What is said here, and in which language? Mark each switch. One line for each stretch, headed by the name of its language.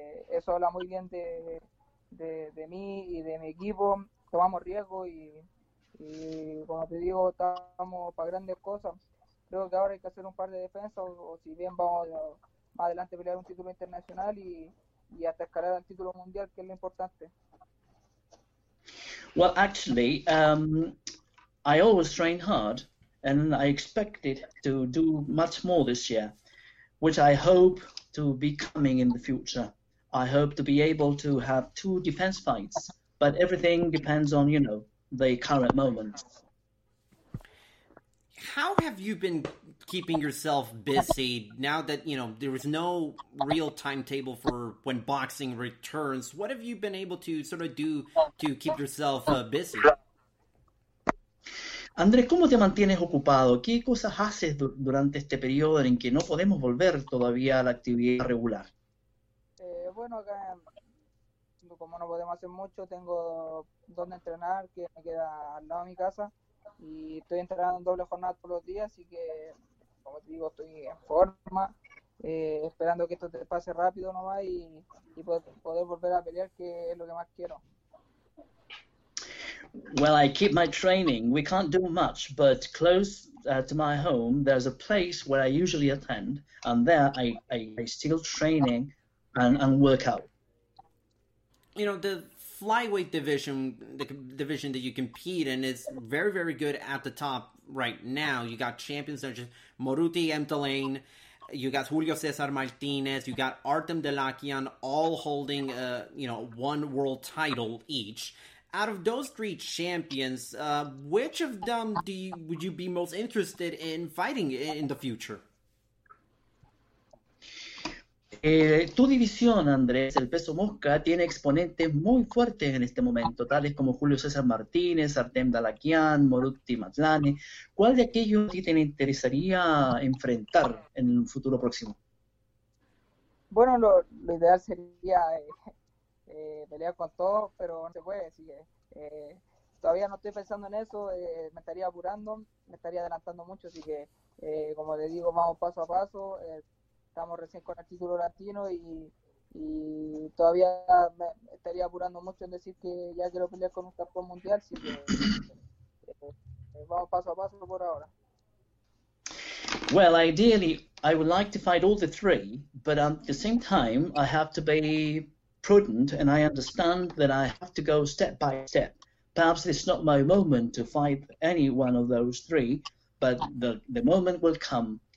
Spanish: Eso habla muy bien de mí y de mi equipo. Tomamos riesgo y como te digo, estamos para grandes cosas. Creo que ahora hay que hacer un par de defensas, o si bien vamos más adelante a pelear un título internacional y hasta escalar al título mundial, que es lo importante.
English: Well, actually, I always train hard, and I expected to do much more this year, which I hope to be coming in the future. I hope to be able to have two defense fights, but everything depends on, you know, the current moment. How have you been keeping yourself busy now that, you know, there is no real timetable for when boxing returns? What have you been able to sort of do to keep yourself busy?
Spanish: Andrés, ¿cómo te mantienes ocupado? ¿Qué cosas haces durante este periodo en que no podemos volver todavía a la actividad regular? Bueno, acá, como no podemos hacer mucho, tengo donde entrenar, que me queda al lado de mi casa, y estoy entrenando en doble jornada todos los días, así que, como te digo, estoy en forma, esperando que esto te pase rápido nomás y poder volver a pelear, que es lo que más quiero.
English: Well, I keep my training. We can't do much, but close to my home, there's a place where I usually attend, and there I still training and work out. You know, the flyweight division, the division that you compete in, is very, very good at the top right now. You got champions such as Moruti Emtalane, you got Julio Cesar Martinez, you got Artem Dalakian, all holding one world title each. Out of those three champions, which of them would you be most interested in fighting in the future?
Spanish: Tu división, Andrés, el peso mosca, tiene exponentes muy fuertes en este momento, tales como Julio César Martínez, Artem Dalakian, Moruti Mazlane. ¿Cuál de aquellos a ti te interesaría enfrentar en un futuro próximo? Bueno, lo ideal sería pelear con todos, pero no se puede, así que todavía no estoy pensando en eso. Me estaría apurando, me estaría adelantando mucho, así que como te digo, vamos paso a paso. Estamos recién con el título latino y todavía me estaría apurando mucho en decir que ya quiero pelear con un campeón mundial, así que vamos paso a paso por ahora.
English: Well, ideally I would like to fight all the three, but at the same time I have to be prudent, and I understand that I have to go step by step. Perhaps it's not my moment to fight any one of those three, but the moment will come.